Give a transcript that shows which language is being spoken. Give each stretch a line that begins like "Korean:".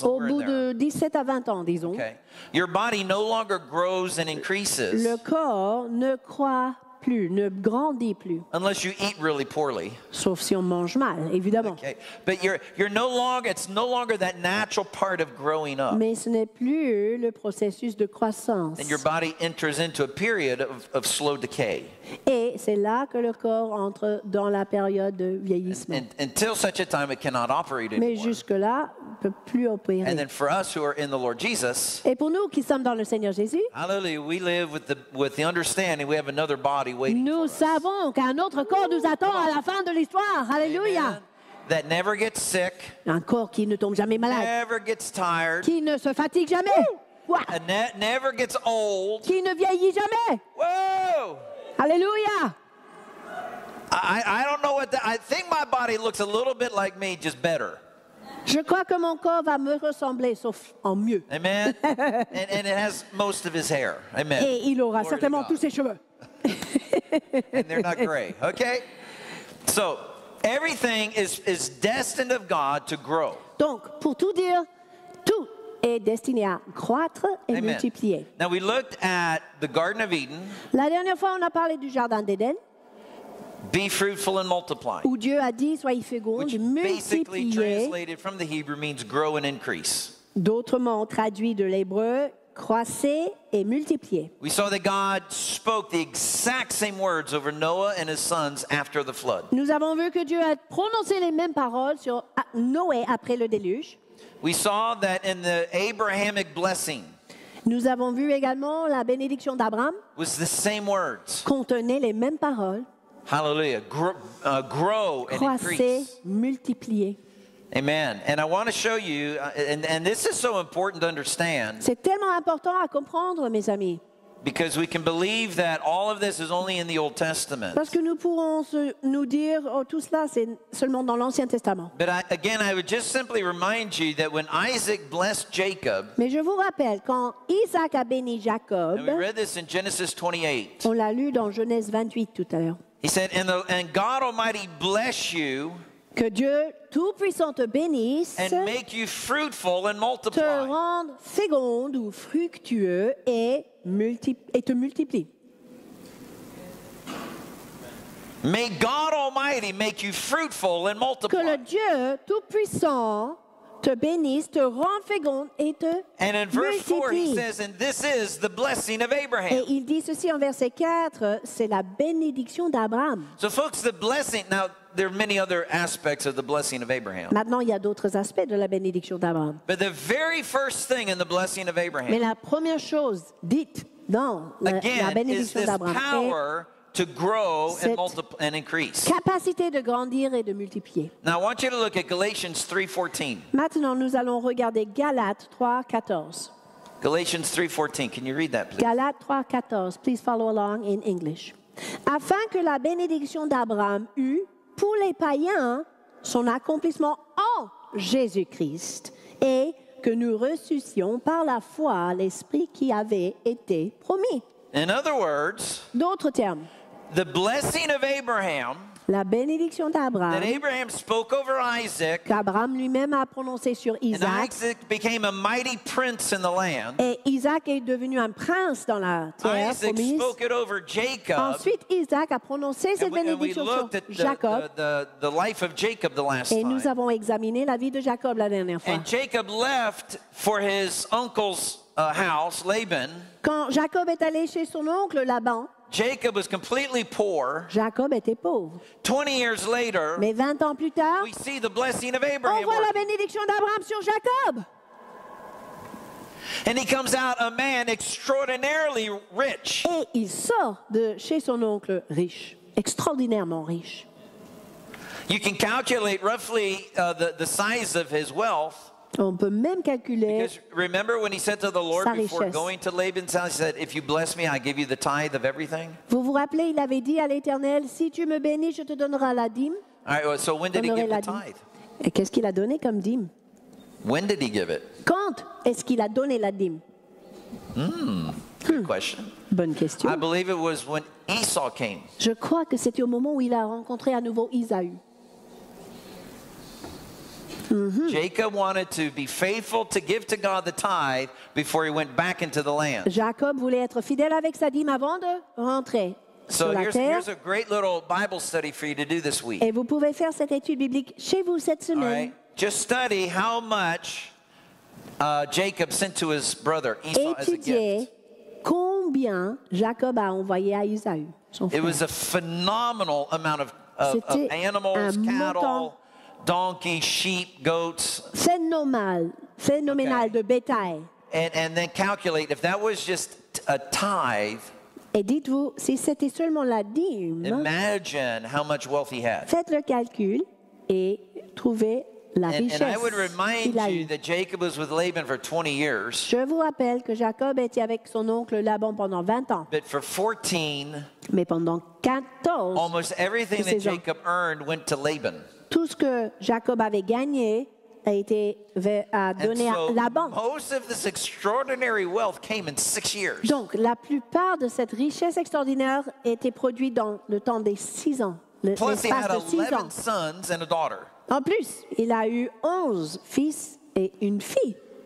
French: au bout de 17 à 20 ans, disons,
English: okay, your body no longer grows and increases.
French: Le corps ne croît plus, ne grandit plus.
English: Unless you eat really poorly.
French: Sauf si on mange mal, évidemment.
English: Okay. But you're no longer, it's no longer that natural part of growing up.
French: Mais ce n'est plus le processus de croissance.
English: And your body enters into a period of slow decay.
French: Et c'est là que le corps entre dans la période de vieillissement.
English: And until such a time it cannot operate anymore.
French: Mais jusque-là, il ne peut plus opérer.
English: And then for us who are in the Lord Jesus,
French: et pour nous qui sommes dans le Seigneur Jésus,
English: hallelujah, we live with the understanding we have another body waiting for us.
French: Nous savons qu'un autre corps nous attend à la fin de l'histoire.
English: Hallelujah. That never gets sick.
French: Un corps qui ne tombe jamais malade.
English: Never gets tired.
French: Qui ne se fatigue jamais.
English: Wow. And never gets old.
French: Qui ne vieillit jamais.
English: Wow. Hallelujah. I don't know what that, I think my body looks a little bit like me, just better.
French: Je crois que mon corps va me ressembler, sauf en mieux.
English: Amen. And it has most of his hair. Amen.
French: Et il aura glory certainement tous ses cheveux.
English: And they're not gray. Okay. So everything is destined of God to grow.
French: Donc, pour tout dire, tout est destiné à croître et
English: amen
French: multiplier.
English: Now we looked at the Garden of Eden.
French: La dernière fois, on a parlé du Jardin d'Éden.
English: Be fruitful and multiply.
French: Où Dieu a dit, soyez féconds,
English: which basically translated from the Hebrew means grow and increase.
French: D'autres mots traduits de l'hébreu, croissez et multipliez.
English: We saw that God spoke the exact same words over Noah and his sons after the flood.
French: Nous avons vu que Dieu a prononcé les mêmes paroles sur Noé après le déluge.
English: We saw that in the Abrahamic blessing.
French: Nous avons vu également la bénédiction d'Abraham.
English: Was the same words.
French: Contenait les mêmes paroles.
English: Hallelujah. Grow and
French: croissez,
English: increase.
French: Multipliez.
English: Amen. And I want to show you, and this is so important to understand.
French: C'est tellement important à comprendre, mes amis.
English: Because we can believe that all of this is only in the Old Testament.
French: Parce que nous pourrons nous dire, oh, tout cela c'est seulement dans l'Ancien Testament.
English: But I would just simply remind you that when Isaac blessed Jacob.
French: Mais je vous rappelle quand Isaac a béni Jacob.
English: And we read this in Genesis 28.
French: On l'a lu dans Genèse 28 tout à l'heure.
English: He said, "And God Almighty bless you."
French: Que Dieu Tout-Puissant te bénisse,
English: and make you fruitful and multiply.
French: Te rende féconde ou fructueux et te multiplie.
English: May God Almighty make you fruitful and multiply.
French: Que le Dieu Tout-Puissant te bénisse, te rende féconde et te multiplie.
English: And in verse 4 he says, and this is the blessing of Abraham.
French: Et il dit ceci en verset 4, c'est la bénédiction d'Abraham.
English: So folks, the blessing, now there are many other aspects of the blessing of Abraham.
French: Maintenant, il y a d'autres aspects de la bénédiction d'Abraham.
English: But the very first thing in the blessing of Abraham.
French: Mais la première chose dite dans
English: again,
French: la bénédiction d'Abraham.
English: Again, is this power to grow and multiply and increase.
French: Capacité de grandir et de multiplier.
English: Now I want you to look at Galatians 3:14.
French: Maintenant, nous allons regarder Galates 3:14.
English: Galatians 3:14. Can you read that, please?
French: Galates 3:14.
English: Please follow along in English.
French: Afin que la bénédiction d'Abraham eût pour les païens, son accomplissement en Jésus-Christ, et que nous reçussions par la foi l'esprit qui avait été promis.
English: In other words,
French: d'autres termes,
English: the blessing of Abraham,
French: la bénédiction d'Abraham,
English: that Abraham spoke over Isaac,
French: qu'Abraham lui-même a prononcé sur Isaac,
English: and Isaac became a mighty prince in the land,
French: et Isaac est devenu un prince dans la terre
English: promise. Isaac spoke it over Jacob.
French: Ensuite, Isaac a prononcé cette bénédiction sur Jacob.
English: The life of Jacob the last
French: et
English: time.
French: Nous avons examiné la vie de Jacob la dernière fois.
English: And Jacob left for his uncle's house, Laban.
French: Quand Jacob est allé chez son oncle Laban,
English: Jacob was completely poor.
French: Jacob était pauvre.
English: 20 years later,
French: mais 20 ans plus tard,
English: we see the blessing of Abraham.
French: On voit la bénédiction d'Abraham sur Jacob.
English: And he comes out a man extraordinarily rich.
French: Et il sort de chez son oncle riche, extraordinairement riche.
English: You can calculate roughly the size of his wealth.
French: On peut même calculer.
English: Because remember when he said to the Lord before going to Laban's house, he said, "If you bless me, I give you the tithe of everything."
French: Vous vous rappelez, il avait dit à l'Éternel, si tu me bénis, je te donnerai la dîme.
English: All right, well, so when did he give the tithe?
French: Et qu'est-ce qu'il a donné comme dîme?
English: When did he give it?
French: Quand est-ce qu'il a donné la dîme?
English: Hmm. Good question.
French: Bonne question.
English: I believe it was when Esau came.
French: Je crois que c'était au moment où il a rencontré à nouveau Isaü. Mm-hmm.
English: Jacob wanted to be faithful to give to God the tithe before he went back into the land.
French: Jacob voulait être fidèle avec sa dîme avant de rentrer sur la terre.
English: So here's a great little Bible study for you to do this week.
French: Et vous pouvez faire cette étude biblique chez vous cette semaine.
English: All right. Just study how much Jacob sent to his brother Esau
French: Étudiez
English: as a gift.
French: Combien Jacob a envoyé à Isaü, son frère.
English: It was a phenomenal amount of animals, cattle. Donkey, sheep, goats.
French: Phénoménal okay. De bétail.
English: And then calculate if that was just a tithe.
French: Et dites-vous si c'était seulement la dîme.
English: Imagine how much wealth he had.
French: Faites le calcul et trouvez la richesse.
English: And I would remind you that Jacob was with Laban for 20 years.
French: Je vous rappelle que Jacob était avec son oncle Laban pendant 20 ans.
English: But for 14.
French: Mais pendant 14.
English: Almost everything that Jacob earned went to Laban.
French: Tout ce que Jacob avait gagné a été donné à Laban.
English: Most of this extraordinary wealth came in 6 years.
French: Donc, la plupart de cette richesse extraordinaire était produite dans le temps des 6 ans.
English: Plus, he had 11 sons and a daughter.
French: En plus, il a eu 11 fils et une fille.